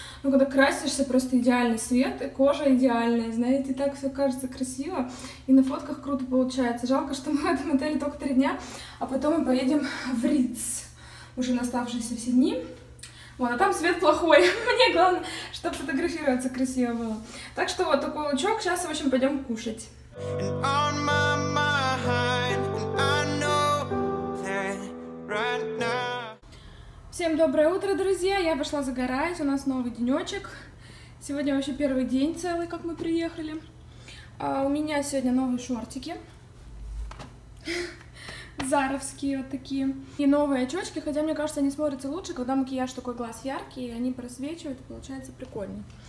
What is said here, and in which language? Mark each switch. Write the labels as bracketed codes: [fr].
[ru] Но когда красишься, просто идеальный свет, кожа идеальная, знаете, так все кажется красиво. И на фотках круто получается. Жалко, что мы в этом отеле только 3 дня, а потом мы поедем в Риц уже на оставшиеся все дни. Вот, а там свет плохой. Мне главное, чтобы фотографироваться красиво было. Так что вот такой лучок. Сейчас, в общем, пойдем кушать. [en] And on my mind, and I know that right now. [ru] Всем доброе утро, друзья! Я пошла загорать, у нас новый денечек. Сегодня вообще первый день целый, как мы приехали. У меня сегодня новые шортики. Заровские вот такие. И новые очечки, хотя мне кажется, они смотрятся лучше, когда макияж такой глаз яркий, и они просвечивают, и получается прикольнее.